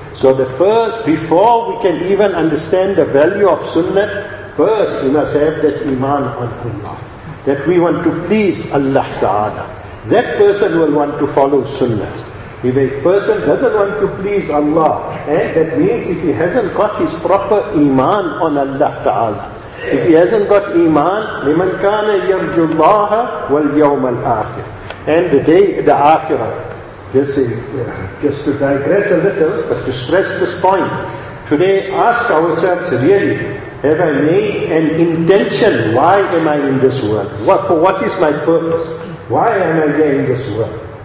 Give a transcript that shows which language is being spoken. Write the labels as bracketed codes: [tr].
[en] So the first, before we can even understand the value of sunnah, first we must have that iman on Allah. That we want to please Allah Ta'ala. That person will want to follow sunnahs. If a person doesn't want to please Allah, that means if he hasn't got his proper iman on Allah Ta'ala. If he hasn't got iman, [ar] لِمَنْ كَانَ يَرْجُ اللَّهَ وَالْيَوْمَ الْآخِرَ. [en] And the day, the akhirah. Just to digress a little, but to stress this point. Today, ask ourselves really, have I made an intention? Why am I in this world? What is my purpose? Why am I here in this world?